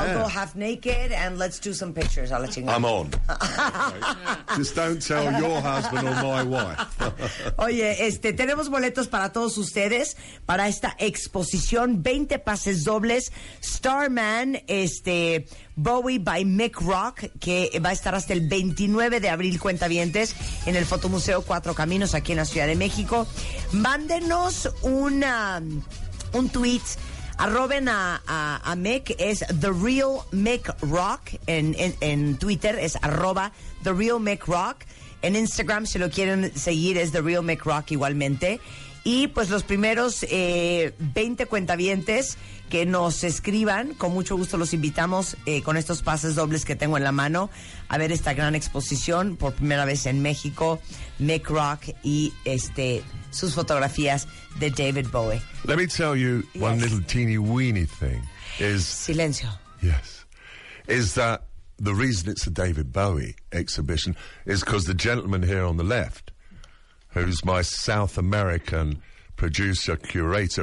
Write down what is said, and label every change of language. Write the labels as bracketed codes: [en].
[en] I'll go half naked and let's do some pictures. I'll let you know. I'm on. Just don't tell your husband or my wife. [es] Oye, tenemos boletos para todos ustedes para esta exposición, 20 pases dobles. Starman, Bowie by Mick Rock, que va a estar hasta el 29 de abril, cuentavientes, en el Fotomuseo Cuatro Caminos, aquí en la Ciudad de México. Mándenos un tweet, arroben a Mick, es The Real Mick Rock, en Twitter es arroba The Real Mick Rock, en Instagram, si lo quieren seguir, es The Real Mick Rock igualmente. Y pues los primeros 20 cuentavientes que nos escriban, con mucho gusto los invitamos con estos pases dobles que tengo en la mano a ver esta gran exposición por primera vez en México, Mick Rock y sus fotografías de David Bowie. [en] Let me tell you one little teeny weeny thing. [es] Silencio. [en] Yes. Is that the reason it's a David Bowie exhibition is because the gentleman here on the left, who's my South American producer, curator.